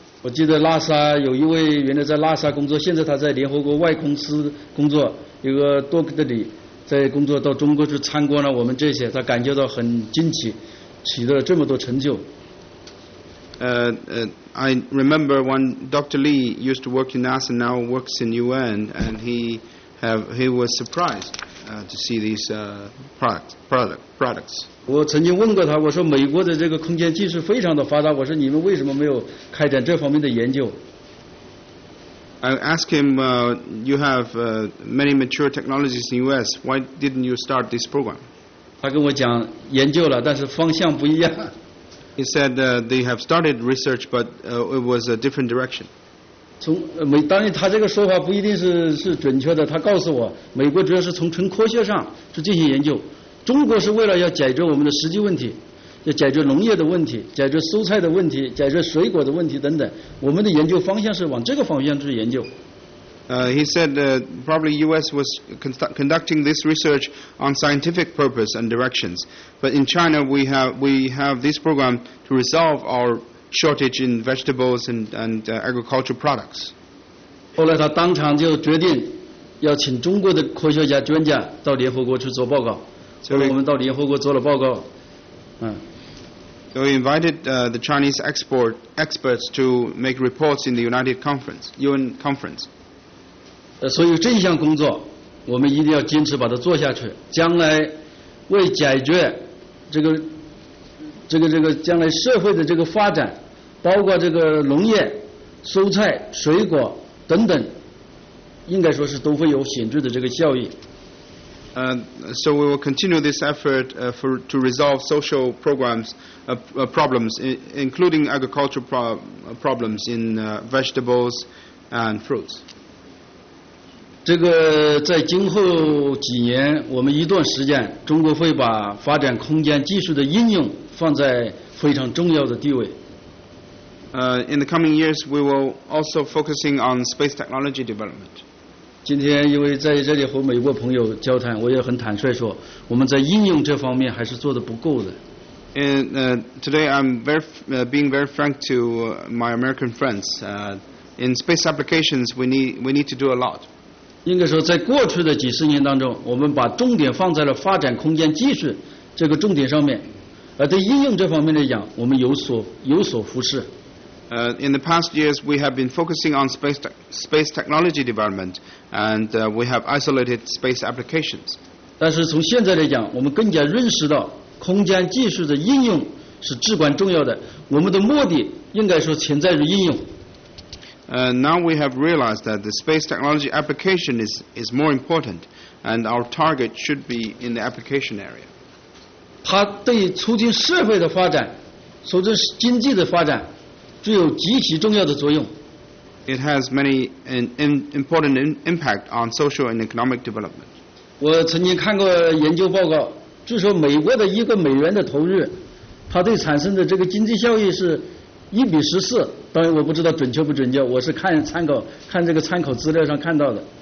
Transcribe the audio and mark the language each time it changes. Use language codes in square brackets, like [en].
[zh] 我记得拉萨有一位原来在拉萨工作，现在他在联合国外空司工作，一个多克德里在工作，到中国去参观了我们这些，他感觉到很惊奇，取得了这么多成就。 [en] I remember when Dr. Lee used to work in NASA, now works in UN, and he was surprised to see these products. [zh] 我曾经问过他，我说美国的这个空间技术非常的发达，我说你们为什么没有开展这方面的研究？ [en] I asked him, you have many mature technologies in US, why didn't you start this program? [zh] 他跟我讲研究了，但是方向不一样。 [en] He said they have started research, but it was a different direction. [zh] 从美，当然他这个说法不一定是准确的。他告诉我，美国主要是从纯科学上去进行研究，中国是为了要解决我们的实际问题，要解决农业的问题，解决蔬菜的问题，解决水果的问题等等。我们的研究方向是往这个方向去研究。 [en] He said probably U.S. was conducting this research on scientific purpose and directions, but in China we have this program to resolve our shortage in vegetables and agricultural products. [zh] 后来他当场就决定要请中国的科学家专家到联合国去做报告。所以我们到联合国做了报告。 [en] So he invited the Chinese experts to make reports in the United Conference, UN Conference. [zh] 所以这项工作我们一定要坚持把它做下去，将来为解决这个将来社会的这个发展，包括这个农业、蔬菜、水果等等，应该说是都会有显著的这个效益。 [en] So we will continue this effort to resolve social programs, problems, including agricultural problems in vegetables and fruits. [zh] 这个在今后几年，我们一段时间，中国会把发展空间技术的应用放在非常重要的地位。 [en] In the coming years, we will also focusing on space technology development. [zh] 今天因为在这里和美国朋友交谈，我也很坦率说，我们在应用这方面还是做得不够的。 [en] And today I'm very being very frank to my American friends. In space applications, we need to do a lot. [zh] 应该说在过去的几十年当中，我们把重点放在了发展空间技术这个重点上面，而对应用这方面来讲，我们有所忽视。 [en] In the past years we have been focusing on space technology development and we have isolated space applications. [zh] 但是从现在来讲，我们更加认识到空间技术的应用是至关重要的，我们的目的应该说潜在于应用。 [en] Now we have realized that the space technology application is more important, and our target should be in the application area. [zh] 它对促进社会的发展，促进经济的发展，具有极其重要的作用。 [en] It has many important impact on social and economic development. [zh] 我曾经看过研究报告，据说美国的一个美元的投入，它对产生的这个经济效益是一比十四。当然我不知道准确不准确，我是看参考，看这个参考资料上看到的。